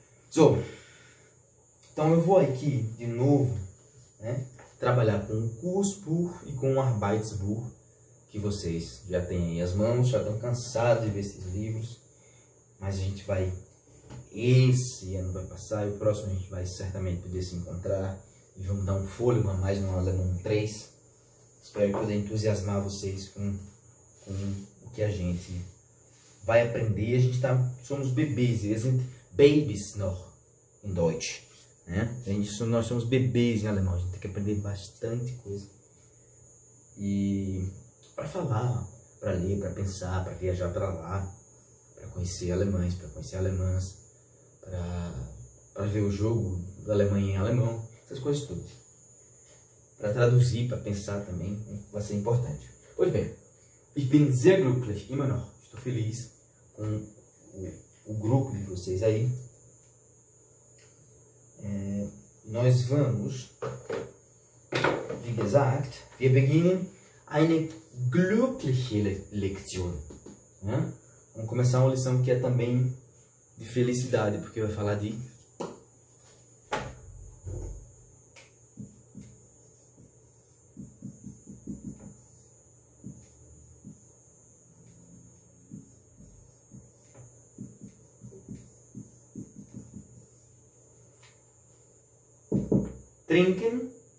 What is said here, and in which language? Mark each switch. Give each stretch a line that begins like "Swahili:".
Portuguese: Então, eu vou aqui de novo, né, trabalhar com o Cuspo e com o Arbeitsbuch, que vocês já têm aí as mãos, já estão cansados de ver esses livros. Mas a gente vai. Esse ano vai passar e o próximo a gente vai certamente poder se encontrar. E vamos dar um fôlego a mais no Alemão 3. Espero poder entusiasmar vocês com o que a gente vai aprender. A gente tá, somos bebês,
German: wir sind Babys noch in Deutsch.
Portuguese: Né? Isso, nós somos bebês em alemão, a gente tem que aprender bastante coisa. E para falar, para ler, para pensar, para viajar para lá, para conhecer alemães, para conhecer alemãs, para ver o jogo da Alemanha em alemão, essas coisas todas. Para traduzir, para pensar também, né? Vai ser importante. Pois bem,
German: ich bin sehr glücklich, immer noch.
Portuguese: Estou feliz com o grupo de vocês aí. Nós vamos,
German: wie gesagt, wir beginnen eine glückliche Lektion.
Portuguese: Né? Vamos começar uma lição que é também de felicidade, porque vai falar de trinken.